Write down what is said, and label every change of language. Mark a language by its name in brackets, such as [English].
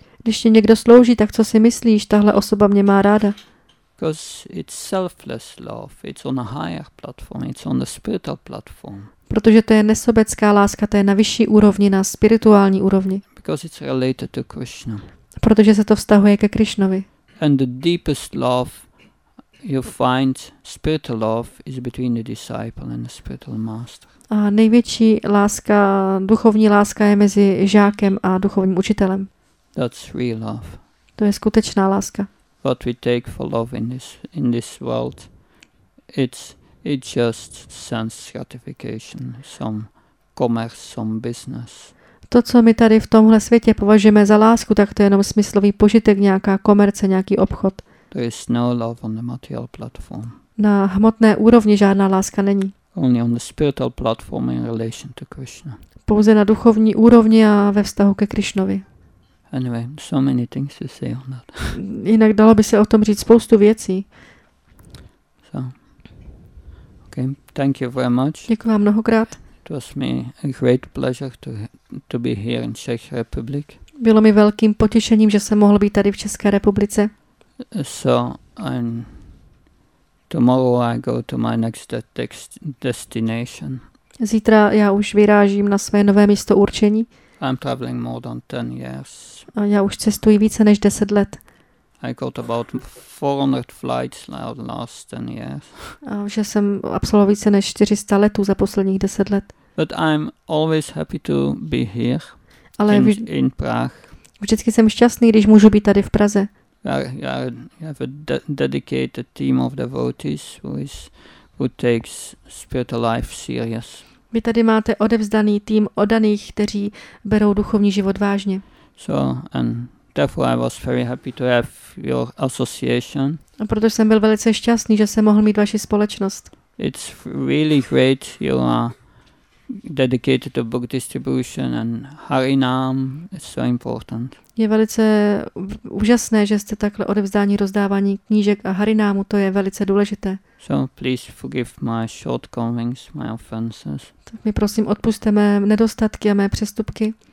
[Czech] Když ti někdo slouží, tak co si myslíš? Tahle osoba mě má ráda. [English] Because it's selfless love. It's on a higher platform. It's on the spiritual platform. [Czech] Protože to je nesobecká láska, to je na vyšší úrovni, na spirituální úrovni. [English] Because it's related to Krishna. [Czech] Protože se to vztahuje ke Krishnovi. [English] And the deepest love you find, spiritual love, is between the disciple and the spiritual master. [Czech] A největší láska, duchovní láska je mezi žákem a duchovním učitelem. [English] That's real love. [Czech] To je skutečná láska. [English] What we take for love in this world, it's just sense gratification, some commerce, some business. [Czech] To, co my tady v tomhle světě považujeme za lásku, tak to je jenom smyslový požitek, nějaká komerce, nějaký obchod. [English] There is no love on the material platform. [Czech] Na hmotné úrovni žádná láska není. [English] Only on the spiritual platform in relation to Krishna. [Czech] Pouze na duchovní úrovni a ve vztahu ke Krishnovi. [English] Anyway, so many things to say on that. [Czech] Jinak dalo by se o tom říct spoustu věcí. [English] So, okay, thank you very much. [Czech] Děkuji vám mnohokrát. [English] It was me a great pleasure to be here in Czech Republic. [Czech] Bylo mi velkým potěšením, že jsem mohl být tady v České republice. [English] So, tomorrow I go to my next destination. [Czech] Zítra já už vyrážím na své nové místo určení. [English] I'm traveling more than 10 years. [Czech] A já už cestuji více než 10 let. [English] I got about 400 flights last 10 years. [Czech] A že jsem absolvoval více než 400 letů za posledních 10 let. [English] But I'm always happy to be here. [Czech] Ale [English] in Prague. [Czech] Vždycky jsem šťastný, když můžu být tady v Praze. [English] I have a dedicated team of devotees who takes spiritual life serious. [Czech] Vy tady máte odevzdaný tým oddaných, kteří berou duchovní život vážně. [English] So, and therefore I was very happy to have your association. [Czech] A protože jsem byl velice šťastný, že jsem mohl mít vaši společnost. [English] It's really great you are dedicated to book distribution and Harinam is so important. [Czech] Je velice úžasné, že jste takhle odevzdání rozdávání knížek a Harinámu, to je velice důležité. [English] So please forgive my shortcomings, my offenses. [Czech] Tak mi prosím odpusťte mé nedostatky a mé přestupky.